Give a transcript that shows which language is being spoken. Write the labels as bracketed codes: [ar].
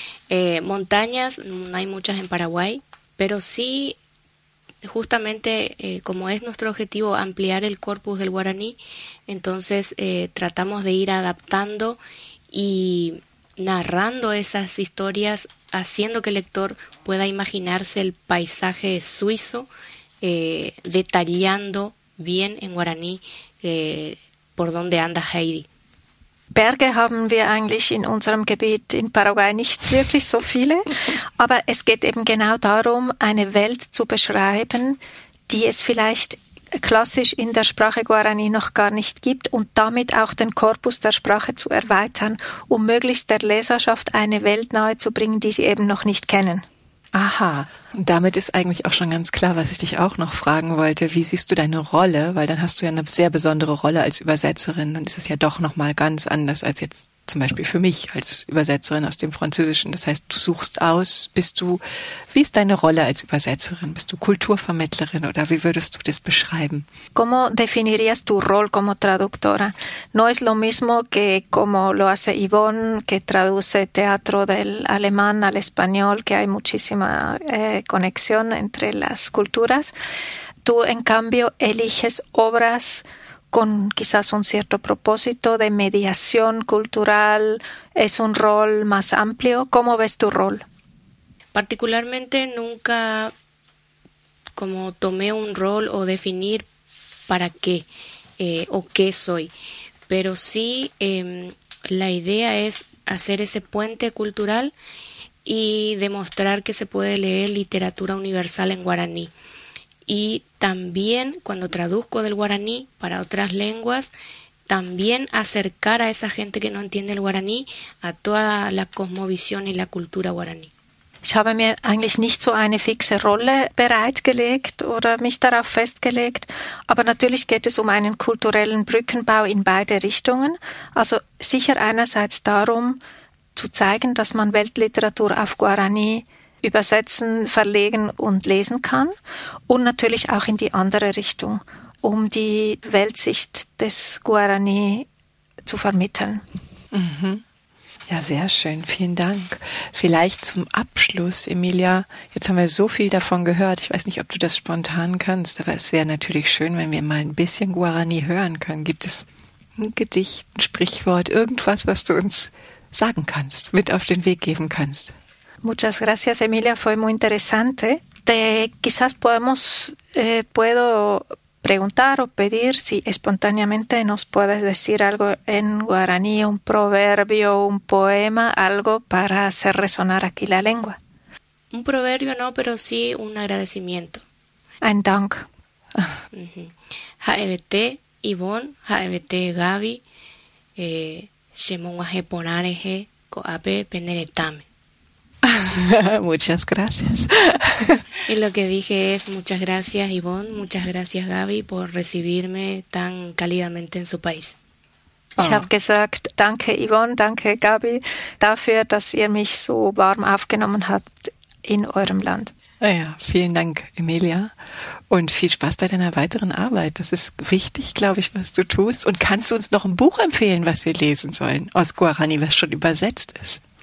[es] Montañas, no hay muchas en Paraguay, pero sí, justamente como es nuestro objetivo ampliar el corpus del guaraní, entonces tratamos de ir adaptando y narrando esas historias, haciendo que el lector pueda imaginarse el paisaje suizo, detallando bien en guaraní por dónde anda Heidi. [de] Berge haben wir eigentlich in unserem Gebiet in Paraguay nicht wirklich so viele. Aber es geht eben genau darum, eine Welt zu beschreiben, die es vielleicht klassisch in der Sprache Guarani noch gar nicht gibt und damit auch den Korpus der Sprache zu erweitern, um möglichst der Leserschaft eine Welt nahe zu bringen, die sie eben noch nicht kennen. Aha, und damit ist eigentlich auch schon ganz klar, was ich dich auch noch fragen wollte. Wie siehst du deine Rolle? Weil dann hast du ja eine sehr besondere Rolle als Übersetzerin. Dann ist es ja doch nochmal ganz anders als jetzt zum Beispiel für mich als Übersetzerin aus dem Französischen. Das heißt, du suchst aus, wie ist deine Rolle als Übersetzerin? Bist du Kulturvermittlerin oder wie würdest du das beschreiben? [es] ¿Cómo definirías tu rol como traductora? No es lo mismo que como lo hace Yvonne, que traduce teatro del alemán al español, que hay muchísima conexión entre las culturas. Tú, en cambio, eliges obras con quizás un cierto propósito de mediación cultural, es un rol más amplio. ¿Cómo ves tu rol? Particularmente nunca como tomé un rol o definir para qué o qué soy, pero sí la idea es hacer ese puente cultural y demostrar que se puede leer literatura universal en guaraní. Y también cuando traduzco del guaraní para otras lenguas, también acercar a esa gente que no entiende el guaraní a toda la cosmovisión y la cultura guaraní. [de] Ich habe mir eigentlich nicht so eine fixe Rolle bereitgelegt oder mich darauf festgelegt, aber natürlich geht es um einen kulturellen Brückenbau in beide Richtungen. Also sicher einerseits darum zu zeigen, dass man Weltliteratur auf Guaraní übersetzen, verlegen und lesen kann und natürlich auch in die andere Richtung, um die Weltsicht des Guaraní zu vermitteln. Mhm. Ja, sehr schön. Vielen Dank. Vielleicht zum Abschluss, Emilia. Jetzt haben wir so viel davon gehört. Ich weiß nicht, ob du das spontan kannst, aber es wäre natürlich schön, wenn wir mal ein bisschen Guaraní hören können. Gibt es ein Gedicht, ein Sprichwort, irgendwas, was du uns sagen kannst, mit auf den Weg geben kannst? [es] Muchas gracias, Emilia. Fue muy interesante. Quizás puedo preguntar o pedir si espontáneamente nos puedes decir algo en guaraní, un proverbio, un poema, algo para hacer resonar aquí la lengua. Un proverbio no, pero sí un agradecimiento. [de] Ein Dank. HBT, Yvonne, HBT, Gaby, Shemungaje Ponareje, Koape, Peneretame. [es] Muchas gracias. Y lo que dije es muchas gracias, Yvonne, muchas gracias, Gaby, por recibirme tan cálidamente en su país. Oh. [de] Ich habe gesagt, danke, Yvonne, danke, Gaby, dafür, dass ihr mich so warm aufgenommen habt in eurem Land. Ja, vielen Dank, Emilia. Und viel Spaß bei deiner weiteren Arbeit. Das ist wichtig, glaube ich, was du tust. Und kannst du uns noch ein Buch empfehlen, was wir lesen sollen, aus Guarani, was schon übersetzt ist?